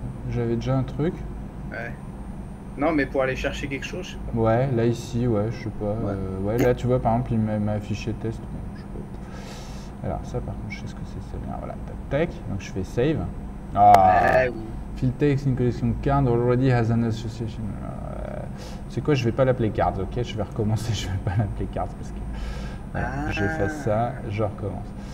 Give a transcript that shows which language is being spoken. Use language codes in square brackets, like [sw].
[fr] J'avais déjà un truc? Ouais. Non, mais pour aller chercher quelque chose, je sais pas. Ouais, là, ici, ouais, je sais pas. Ouais, là, tu vois, par exemple, il m'a affiché test. Bon, je sais pas. Alors, ça, par contre, je sais ce que c'est, ça vient. Voilà, tac, donc je fais save. Ah ouais, oui. [en] Field text in collection card already has an association. [fr] C'est quoi, je vais pas l'appeler cards, ok, je vais recommencer, je vais pas l'appeler cards parce que j'efface ça, je recommence.